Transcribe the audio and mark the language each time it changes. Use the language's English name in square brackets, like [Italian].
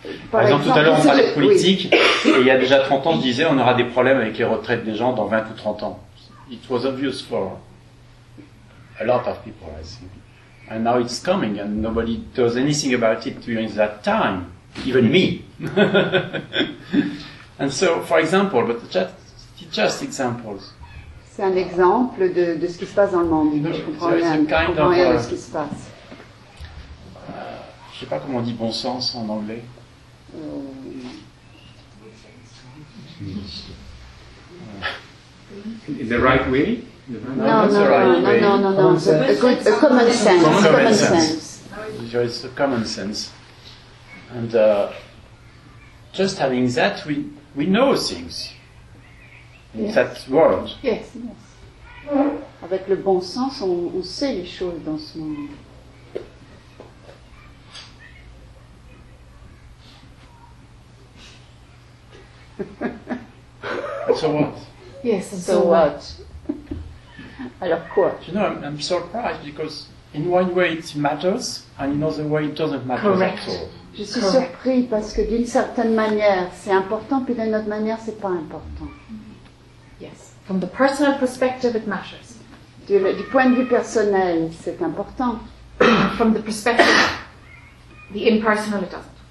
[French] Par exemple, tout à l'heure, on parlait de politique, oui. Et il y a déjà 30 ans, je disais, on aura des problèmes avec les retraites des gens dans 20 ou 30 ans. [English] It was obvious for a lot of people, I think. And now it's coming, and nobody does anything about it during that time, even me. And so, for example, but just examples. [French] C'est un exemple de ce qui se passe dans le monde. No, je comprends rien, [English] kind of [French] rien de ce qui se passe. Je sais pas comment on dit bon sens en anglais. [English] In the right way? No, common sense. There is a common sense. And just having that, we know things in yes. that world. Yes, yes. [French] Avec le bon sens, on sait les choses dans ce monde. [English] So what? Yes, so what? [French] Alors quoi? [English] You know, I'm surprised because in one way it matters and in another way it doesn't matter correct. At all. [French] Je suis [English] correct. [French] Surpris parce que d'une certaine manière c'est important puis d'une autre manière c'est pas important. [English] Mm-hmm. Yes. From the personal perspective it matters. [French] Du point de vue personnel c'est important. [English] From the perspective the impersonal it doesn't.